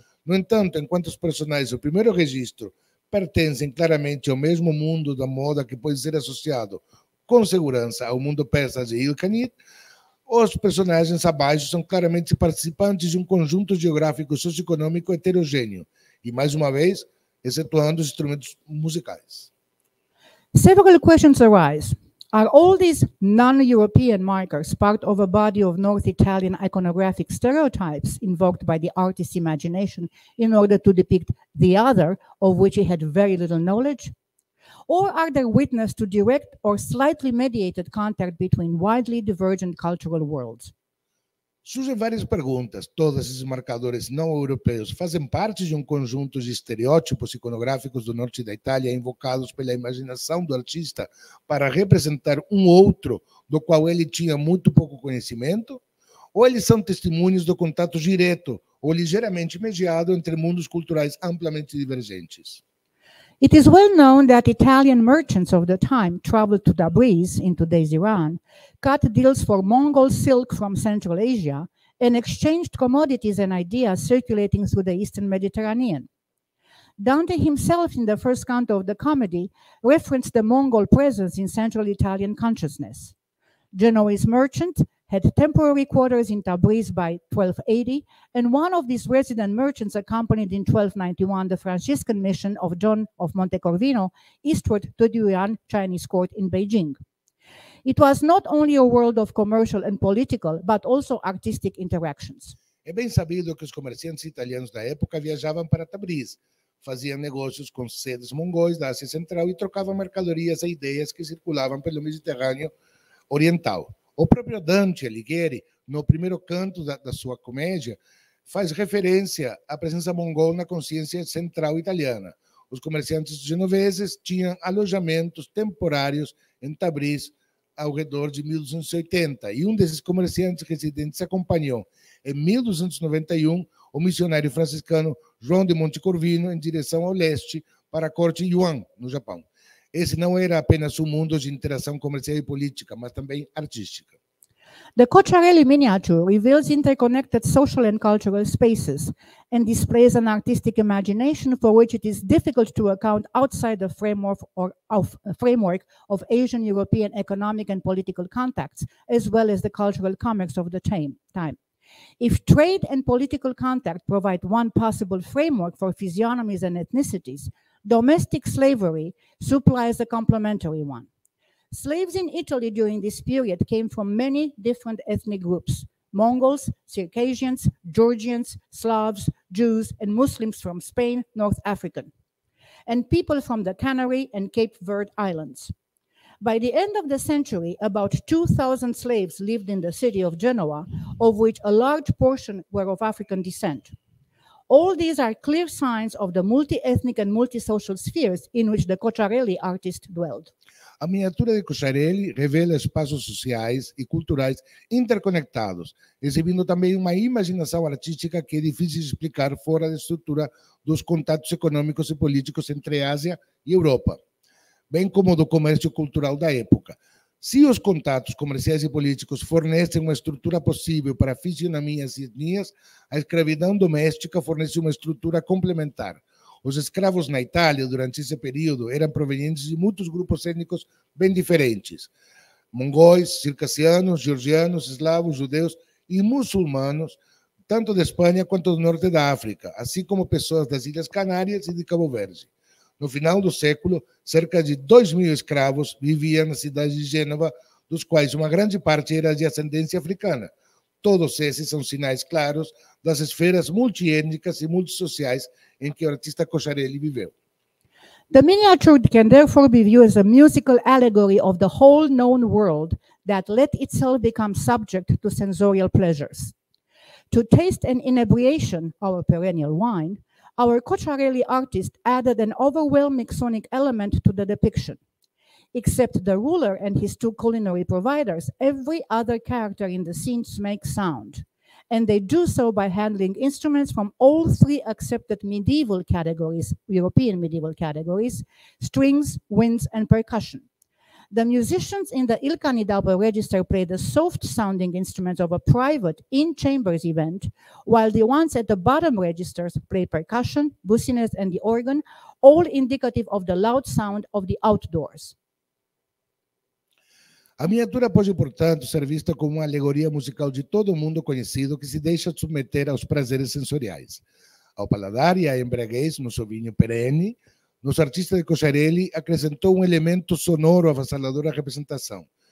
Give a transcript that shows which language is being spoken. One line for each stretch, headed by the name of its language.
Portuguese: No entanto, enquanto os personagens do primeiro registro pertencem claramente ao mesmo mundo da moda que pode ser associado com segurança ao mundo persa de Ilkhanid, os personagens abaixo são claramente participantes de um conjunto geográfico e socioeconômico heterogêneo, e mais uma vez, excetuando os instrumentos musicais.
English: Several questions arise. Are all these non-European markers part of a body of North Italian iconographic stereotypes invoked by the artist's imagination in order to depict the other, of which he had very little knowledge? Or are they witness to direct or slightly mediated contact between widely divergent cultural worlds?
Portuguese: Surgem várias perguntas. Todos esses marcadores não europeus fazem parte de um conjunto de estereótipos iconográficos do norte da Itália invocados pela imaginação do artista para representar um outro do qual ele tinha muito pouco conhecimento? Ou eles são testemunhos do contato direto ou ligeiramente mediado entre mundos culturais amplamente divergentes?
English: It is well known that Italian merchants of the time traveled to Tabriz, in today's Iran, cut deals for Mongol silk from Central Asia, and exchanged commodities and ideas circulating through the Eastern Mediterranean. Dante himself, in the first canto of the comedy, referenced the Mongol presence in Central Italian consciousness. Genoese merchants had temporary quarters in Tabriz by 1280, and one of these resident merchants accompanied in 1291 the Franciscan mission of John of Monte Corvino eastward to the Yuan Chinese court in Beijing. It was not only a world of commercial and political, but also artistic interactions.
Portuguese: É bem sabido que os comerciantes italianos da época viajavam para Tabriz, faziam negócios com sedes mongóis da Ásia Central e trocavam mercadorias e ideias que circulavam pelo Mediterrâneo Oriental. O próprio Dante Alighieri, no primeiro canto da sua comédia, faz referência à presença mongol na consciência central italiana. Os comerciantes genoveses tinham alojamentos temporários em Tabriz ao redor de 1280, e um desses comerciantes residentes acompanhou, em 1291, o missionário franciscano João de Monte Corvino em direção ao leste para a corte Yuan, no Japão. Esse não era apenas um mundo de interação comercial e política, mas também artística.
English: The Cocciarelli miniature reveals interconnected social and cultural spaces and displays an artistic imagination for which it is difficult to account outside the framework or of a framework of Asian European economic and political contacts, as well as the cultural commerce of the time. If trade and political contact provide one possible framework for physiognomies and ethnicities, domestic slavery supplies a complementary one. Slaves in Italy during this period came from many different ethnic groups: Mongols, Circassians, Georgians, Slavs, Jews, and Muslims from Spain, North Africa, and people from the Canary and Cape Verde Islands. By the end of the century, about 2,000 slaves lived in the city of Genoa, of which a large portion were of African descent. All these are clear signs of the multi-ethnic and multi-social spheres in which the Cocciarelli artist dwelled.
Portuguese: A miniatura de Cocciarelli revela espaços sociais e culturais interconectados, exibindo também uma imaginação artística que é difícil explicar fora da estrutura dos contatos econômicos e políticos entre a Ásia e a Europa, bem como do comércio cultural da época. Se os contatos comerciais e políticos fornecem uma estrutura possível para fisionomias e etnias, a escravidão doméstica fornece uma estrutura complementar. Os escravos na Itália, durante esse período, eram provenientes de muitos grupos étnicos bem diferentes: mongóis, circassianos, georgianos, eslavos, judeus e muçulmanos, tanto da Espanha quanto do norte da África, assim como pessoas das Ilhas Canárias e de Cabo Verde. No final do século, cerca de 2 mil escravos viviam na cidade de Gênova, dos quais uma grande parte era de ascendência africana. Todos esses são sinais claros das esferas multiétnicas e multissociais em que o artista Cocciarelli viveu.
English: The miniature can therefore be viewed as a musical allegory of the whole known world that let itself become subject to sensorial pleasures. To taste and inebriation, our perennial wine, our Cocciarelli artist added an overwhelming sonic element to the depiction. Except the ruler and his two culinary providers, every other character in the scenes makes sound, and they do so by handling instruments from all three accepted medieval categories, European medieval categories, strings, winds, and percussion. The musicians in the Il Canidapo register play the soft-sounding instruments of a private in-chambers event, while the ones at the bottom registers play percussion, bucinets, and the organ, all indicative of the loud sound of the outdoors.
Portuguese: A miniatura pode, portanto, ser vista como uma alegoria musical de todo mundo conhecido que se deixa submeter aos prazeres sensoriais, ao paladar e à embriaguez no seu vinho perene. Nosso artista de Cocciarelli acrescentou um elemento sonoro avassalador à representação.